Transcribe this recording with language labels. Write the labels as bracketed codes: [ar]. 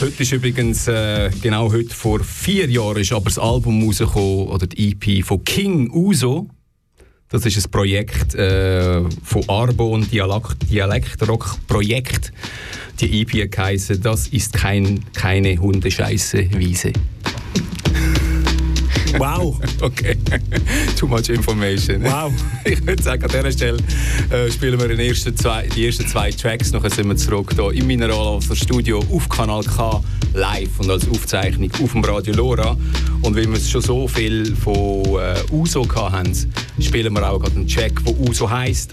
[de] Heute ist übrigens, genau heute vor 4 Jahren, ist aber das Album rausgekommen, oder die EP von King Uso. Das ist ein Projekt von Arbo, und Dialektrock-Projekt. Die EP heisst «Das ist keine Hundescheisse-Wiese». Wow! [en] Okay, too much information. [de] Wow! Ich würde sagen, an dieser Stelle spielen wir die ersten zwei Tracks. Nachher sind wir zurück hier im Mineralwasser Studio auf Kanal K, live und als Aufzeichnung auf dem Radio LoRa. Und weil wir schon so viel von Uso hatten, spielen wir auch gerade einen Track, der Uso heisst.